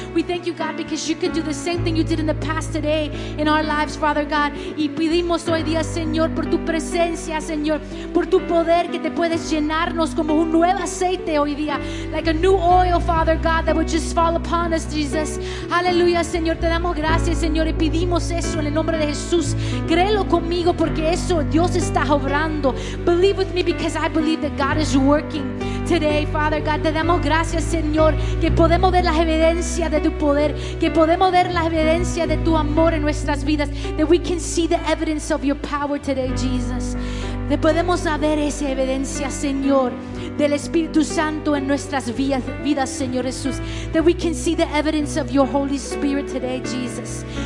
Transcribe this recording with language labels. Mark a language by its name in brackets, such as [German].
[English] We thank you, God, because you can do the same thing you did in the past today in our lives, Father God. [Spanish] Y pedimos hoy día, Señor, por tu presencia, Señor, por tu poder, que te puedes llenarnos como un nuevo aceite hoy día, [English] like a new oil, Father God, that would just fall upon us, Jesus. [Spanish] Aleluya, Señor. Te damos gracias, Señor, y pedimos eso en el nombre de Jesús. Créelo conmigo porque eso Dios está obrando. [English] Believe with me because I believe that God is working today, Father God. [Spanish] Te damos gracias, Señor, que podemos ver la evidencia de tu poder, que podemos ver la evidencia de tu amor en nuestras vidas. [English] That we can see the evidence of your power today, Jesus. [Spanish] Que podemos ver esa evidencia, Señor, del Espíritu Santo en nuestras vidas, Señor Jesús. [English] That we can see the evidence of your Holy Spirit today, Jesus.